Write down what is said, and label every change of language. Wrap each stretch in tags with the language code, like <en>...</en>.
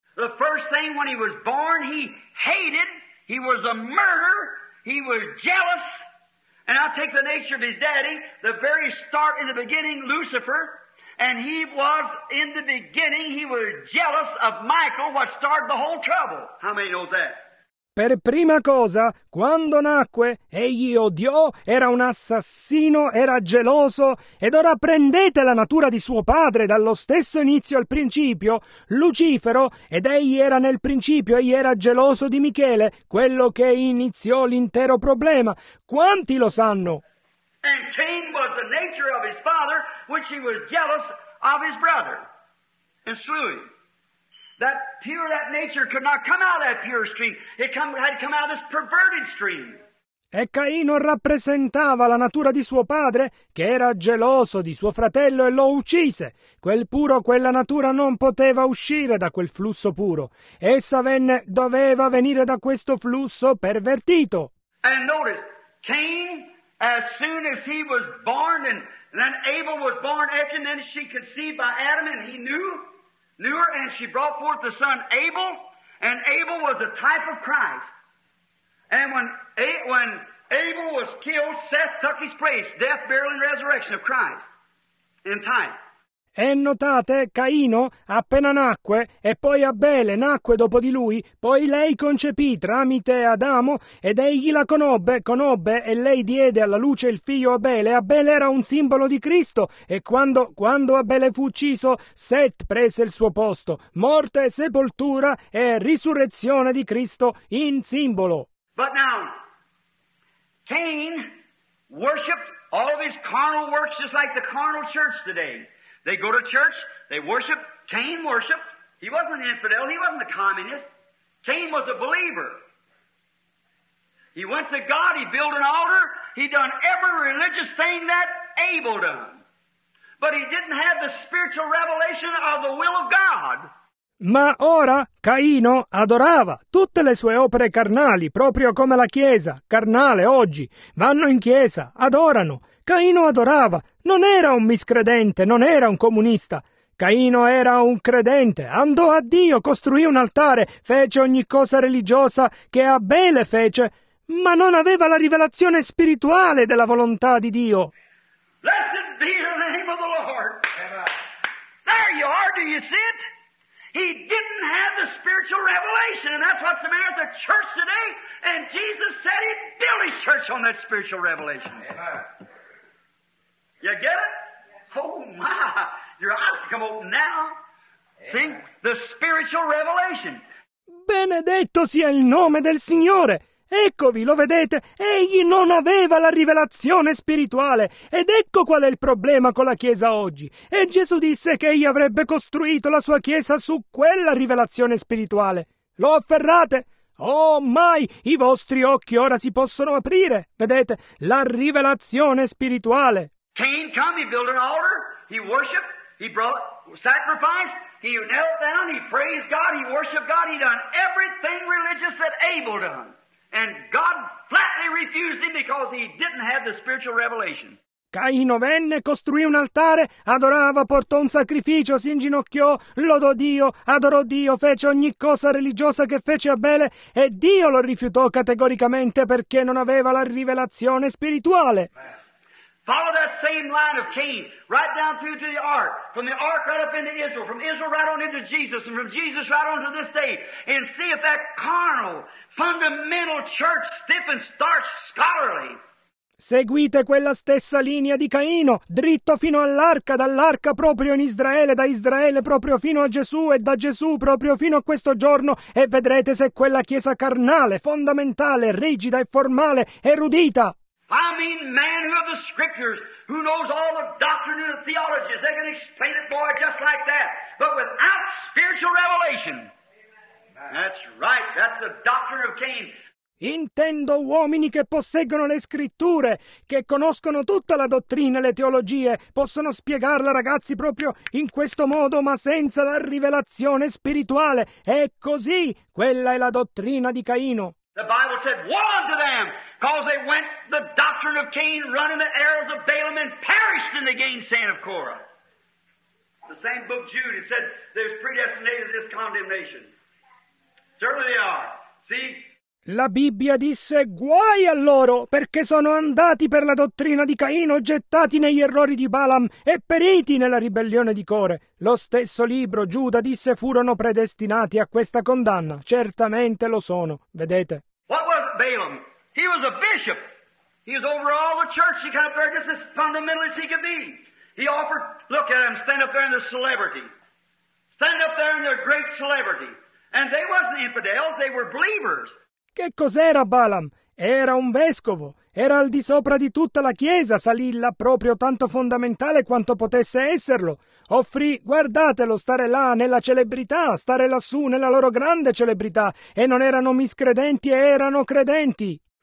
<en>The first thing when he was born, he hated. He was a murderer. He was jealous. And I'll take the nature of his daddy, the very start in the beginning, Lucifer. And he was, in the beginning, he was jealous of Michael, what started the whole trouble. How many knows that?</en> <it>Per prima cosa, quando nacque, egli odiò, era un assassino, era geloso, ed ora prendete la natura di suo padre dallo stesso inizio al principio, Lucifero, ed egli era nel principio, egli era geloso di Michele, quello che iniziò l'intero problema. Quanti lo sanno?</it> <en>And Cain was the nature of his father, which he was jealous of his brother, and slew him. That nature could not come out of that pure stream. It had to come out of this perverted stream.</en> <it>E Caino rappresentava la natura di suo padre, che era geloso di suo fratello e lo uccise. Quella natura non poteva uscire da quel flusso puro. Doveva venire da questo flusso pervertito.</it> <en>And notice, Cain, as soon as he was born, and then Abel was born, and then she conceived by Adam, and he knew her, and she brought forth the son Abel, and Abel was a type of Christ. And when Abel was killed, Seth took his place, death, burial, and resurrection of Christ in time.</en> <it>E notate, Caino appena nacque, e poi Abele nacque dopo di lui, poi lei concepì tramite Adamo, ed egli la conobbe, e lei diede alla luce il figlio Abele. Abele era un simbolo di Cristo, e quando Abele fu ucciso, Set prese il suo posto, morte, sepoltura e risurrezione di Cristo in simbolo.</it> <en>But now, Cain worshipped all of his carnal works just like the carnal church today. They go to church, they worship. Cain worshiped. He wasn't an infidel. He wasn't a communist. Cain was a believer. He went to God. He built an altar. He done every religious thing that Abel done. But he didn't have the spiritual revelation of the will of God.</en> <it>Ma ora Caino adorava tutte le sue opere carnali, proprio come la Chiesa, carnale oggi. Vanno in chiesa, adorano. Caino adorava, non era un miscredente, non era un comunista. Caino era un credente, andò a Dio, costruì un altare, fece ogni cosa religiosa che Abele fece, ma non aveva la rivelazione spirituale della volontà di Dio.</it> <en>Blessed be the name of the Lord. There you are, do you see it? He didn't have the spiritual revelation, and that's what's the matter with the church today, and Jesus said he'd build his church on that spiritual revelation. Amen. You get it? Oh my, your eyes come open now. Amen. See, the spiritual revelation.</en> <it>Benedetto sia il nome del Signore! Eccovi, lo vedete, egli non aveva la rivelazione spirituale, ed ecco qual è il problema con la Chiesa oggi. E Gesù disse che egli avrebbe costruito la sua Chiesa su quella rivelazione spirituale. Lo afferrate? Oh, mai! I vostri occhi ora si possono aprire, vedete, la rivelazione spirituale.</it> <en>Cain came, he built an altar, he worshipped, he brought sacrifice, he knelt down, he praised God, he worshipped God, he done everything religious that Abel done. And God flatly refused him because he didn't have the spiritual revelation.</en> <it>Caino venne, costruì un altare, adorava, portò un sacrificio, si inginocchiò, lodò Dio, adorò Dio, fece ogni cosa religiosa che fece Abele, e Dio lo rifiutò categoricamente perché non aveva la rivelazione spirituale.</it> <en>Follow that same line of Cain, right down through to the ark, from the ark right up into Israel, from Israel right on into Jesus, and from Jesus right on to this day, and see if that carnal, fundamental church stiff and starch scholarly.</en> <it>Seguite quella stessa linea di Caino, dritto fino all'arca, dall'arca proprio in Israele, da Israele proprio fino a Gesù e da Gesù proprio fino a questo giorno, e vedrete se quella chiesa carnale, fondamentale, rigida e formale, erudita.</it> <en>I mean man who have the scriptures, who knows all the doctrine and the theology, they can explain it for just like that, but without spiritual revelation. Amen. That's right, that's the doctrine of Cain.</en> <it>Intendo uomini che posseggono le scritture, che conoscono tutta la dottrina e le teologie, possono spiegarla, ragazzi, proprio in questo modo, ma senza la rivelazione spirituale. È così, quella è la dottrina di Caino.</it> <en>The Bible said, woe unto them, because they went the doctrine of Cain, running the arrows of Balaam, and perished in the gainsaying of Korah. The same book Jude, it said, there's predestinated this condemnation. Certainly they are. See?</en> <it>La Bibbia disse, guai a loro, perché sono andati per la dottrina di Caino, gettati negli errori di Balaam e periti nella ribellione di Core. Lo stesso libro, Giuda, disse, furono predestinati a questa condanna. Certamente lo sono, vedete.</it> <en>What was Balaam? He was a bishop. He was over all the church. He kind of there just as fundamental as he could be. He offered, look at him, stand up there in the celebrity. Stand up there in their great celebrity. And they wasn't infidels, they were believers.</en> <it>Che cos'era Balaam? Era un vescovo, era al di sopra di tutta la chiesa, salì là proprio tanto fondamentale quanto potesse esserlo. Offrì, guardatelo, stare là nella celebrità, stare lassù nella loro grande celebrità, e non erano miscredenti, erano credenti.</it>